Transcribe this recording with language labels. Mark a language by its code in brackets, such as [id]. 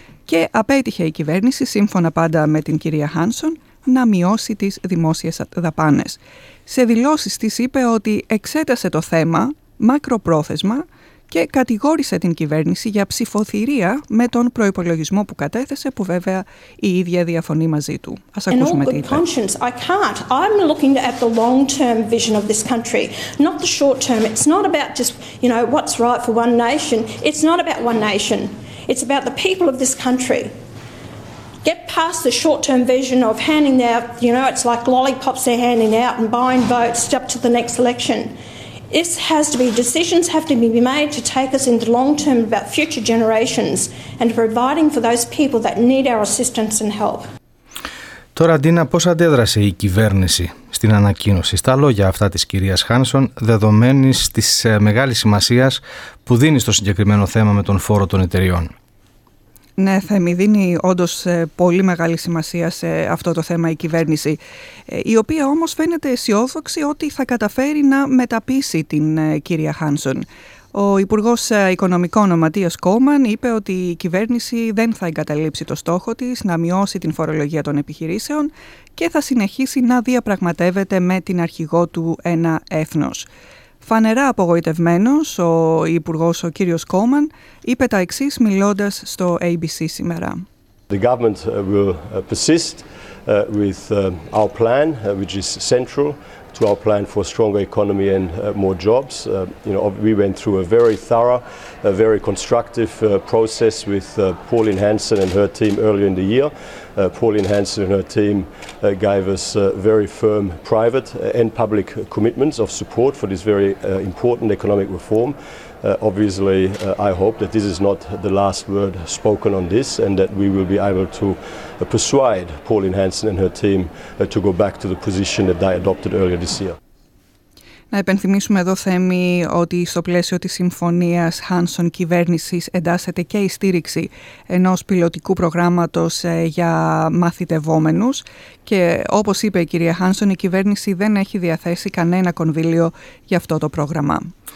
[el] Και απέτυχε η κυβέρνηση, σύμφωνα πάντα με την κυρία Χάνσον, να μειώσει τις δημόσιες δαπάνες. Σε δηλώσεις της είπε ότι εξέτασε το θέμα μακροπρόθεσμα και κατηγόρησε την κυβέρνηση για ψηφοθυρία με τον προϋπολογισμό που κατέθεσε, που βέβαια η ίδια διαφωνεί μαζί του. Ας ακούσουμε τι είπε. [en] I can't. I'm looking at the long-term vision of this country, not the short-term. It's not about just, you know, what's right for one nation. It's not about one nation. It's about the people of this country. Get past the short-term vision of handing out, you know, it's like lollipops they're handing out and buying votes up to the next election. This has to be, decisions have to be made to take us into long-term about future generations and providing for those people that need our assistance and help. [el] Τώρα, Ντίνα, πώς αντέδρασε η κυβέρνηση στην ανακοίνωση, στα λόγια αυτά της κυρίας Χάνσον, δεδομένης της μεγάλης σημασίας που δίνει στο συγκεκριμένο θέμα με τον φόρο των εταιριών? Ναι, Θέμη, δίνει όντως πολύ μεγάλη σημασία σε αυτό το θέμα η κυβέρνηση, η οποία όμως φαίνεται αισιόδοξη ότι θα καταφέρει να μεταπείσει την κυρία Χάνσον. Ο Υπουργός Οικονομικών, ο Ματίας Κόμαν, είπε ότι η κυβέρνηση δεν θα εγκαταλείψει το στόχο της να μειώσει την φορολογία των επιχειρήσεων και θα συνεχίσει να διαπραγματεύεται με την αρχηγό του Ένα Έθνος. Φανερά απογοητευμένος, ο υπουργός, ο κύριος Κόμαν, είπε τα εξής μιλώντας στο ABC σήμερα. [en] The government will persist with our plan, which is central to our plan for a stronger economy and more jobs. We went through a very thorough, a very constructive process with Pauline Hanson and her team earlier in the year. Pauline Hanson and her team gave us very firm private and public commitments of support for this very important economic reform. Obviously, I hope that this is not the last word spoken on this and that we will be able to persuade Pauline Hanson and her team to go back to the position that they adopted earlier this year. [el] Να υπενθυμίσουμε εδώ, Θέμη, ότι στο πλαίσιο της συμφωνίας Χάνσον κυβέρνησης εντάσσεται και η στήριξη ενός πιλωτικού προγράμματος για μαθητευόμενους και, όπως είπε η κυρία Χάνσον, η κυβέρνηση δεν έχει διαθέσει κανένα κονδύλιο για αυτό το πρόγραμμα.